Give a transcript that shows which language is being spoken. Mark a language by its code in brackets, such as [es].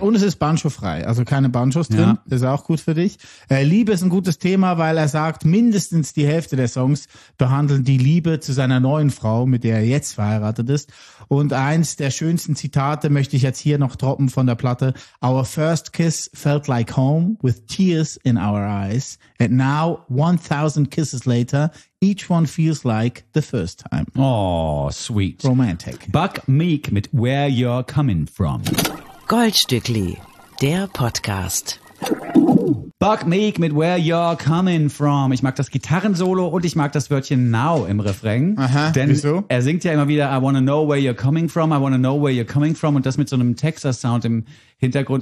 [de] Und es ist banjofrei, also keine Banjos drin. Ja. Ist auch gut für dich. Liebe ist ein gutes Thema, weil er sagt, mindestens die Hälfte der Songs behandeln die Liebe zu seiner neuen Frau, mit der er jetzt verheiratet ist. Und eins der schönsten Zitate möchte ich jetzt hier noch droppen von der Platte. [en] Our first kiss felt like home with tears in our eyes. And now 1000 kisses later, each one feels like the first time. Oh, sweet. Romantic. [de] Buck Meek mit Where You're Coming From. Goldstückli, der Podcast. Buck Meek mit Where You're Coming From. Ich mag das Gitarrensolo und ich mag das Wörtchen Now im Refrain. Aha, denn wieso? Er singt ja immer wieder [en] I wanna know where you're coming from, [de] I wanna know where you're coming from, und das mit so einem Texas-Sound im Hintergrund.